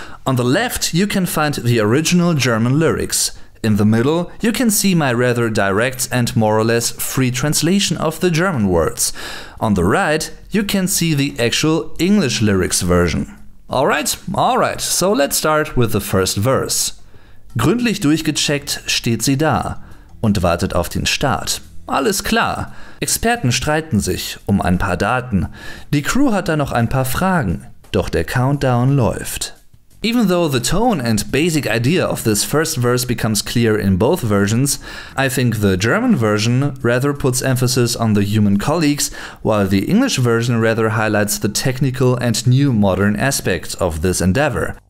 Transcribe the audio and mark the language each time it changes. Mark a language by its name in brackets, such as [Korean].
[English] On the left, you can find the original German lyrics. In the middle, you can see my rather direct and more or less free translation of the German words. On the right, you can see the actual English lyrics version. Alright, so let's start with the first verse. [German] Gründlich durchgecheckt steht sie da und wartet auf den Start. Alles klar. Experten streiten sich um ein paar Daten. Die Crew hat da noch ein paar Fragen, doch der Countdown läuft. [English] Even though the tone and basic idea of this first verse becomes clear in both versions, I think the German version rather puts emphasis on the human colleagues, while the English version rather highlights the technical and new modern aspects of this endeavor.